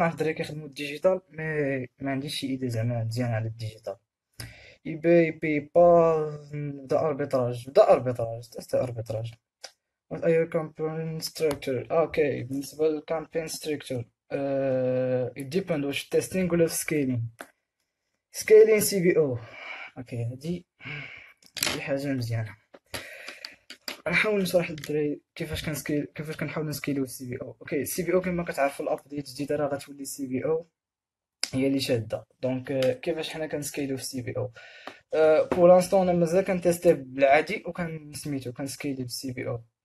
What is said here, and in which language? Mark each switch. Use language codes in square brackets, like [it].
[ar] كنعرف الدراري كيخدمو ديجيتال، مي ما عنديش شي ايدي زعما مزيان على الديجيتال. اي باي، باي بال، بدا اربيتراج، بدا اربيتراج، تست اربيتراج. [en] What are your campaign structure؟ [ar] اوكي، بالنسبة للكامبين ستركتور، [en] it depends [ar] واش [en] testing [ar] ولا [en] scaling. [ar] سكيلين سي بي او، اوكي، هادي حاجة مزيانة. نحاول نشرح للدراري كيفاش كنحاول نسكيلو السي بي او. اوكي، السي بي او كما كتعرفوا الابديت الجديدة راه غتولي السي بي او هي اللي شادة. دونك كيفاش حنا كنسكيلو السي بي او؟ بور لانستون انا مازال كنتيستي بالعادي، وكان سميتو كنسكيلي بالسي بي او.